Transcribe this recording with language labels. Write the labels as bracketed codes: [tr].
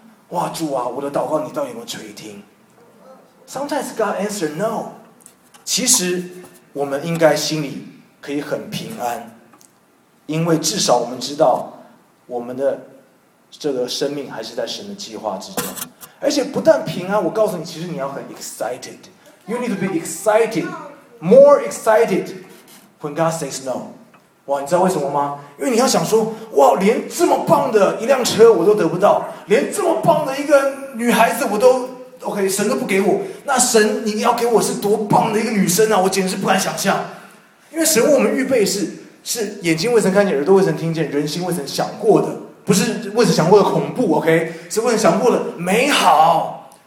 [zh] 哇，主啊，我的祷告你到底有没有垂听？ [en] Sometimes God answer no。 [zh] 其实我们应该心里可以很平安，因为至少我们知道我们的这个生命还是在神的计划之中。而且不但平安，我告诉你，其实你要很 [en] excitedYou need to be excited, more excited when God says no. [zh] 哇，你知道为什么吗？因为你要想说，哇，连这么棒的一辆车我都得不到，连这么棒的一个女孩子我都 OK， 神都不给我，那神你要给我是多棒的一个女生啊，我简直不敢想象。因为神为我们预备是眼睛未曾看见，耳朵未曾听见，人心未曾想过的，不是未曾想过的恐怖， OK， 是未曾想过的美好。